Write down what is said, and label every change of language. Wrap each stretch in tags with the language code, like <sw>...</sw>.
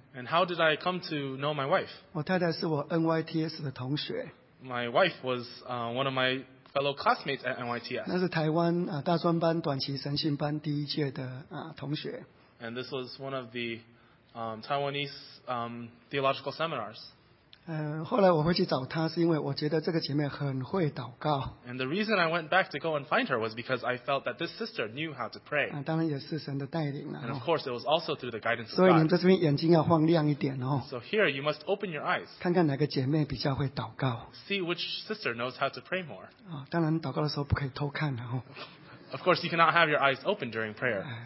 <en>？And how did I come to know my wife?</en> <zh>我太太是我 NYTS 的同学。</zh> <en>My wife was one of my fellow classmates at NYTS.</en> <zh>那是台湾大专班短期神训班第一届的同学。</zh> <en>And this was one of the Taiwanese theological seminars.</en> <zh>后来我会去找她，是因为我觉得这个姐妹很会祷告。</zh> <en>And the reason I went back to go and find her was because I felt that this sister knew how to pray.</en> <zh>当然也是神的带领了。</zh> <en>And of course, it was also through the guidance of</en> <zh>God. 所以你们在这边眼睛要放亮一点哦。</zh> <en>So here, you must open your eyes.</en> <zh>看看哪个姐妹比较会祷告。</zh> <en>See which sister knows how to pray more.</en> <zh>当然祷告的时候不可以偷看哦。</zh> <en>Of course, you cannot have your eyes open during prayer.</en>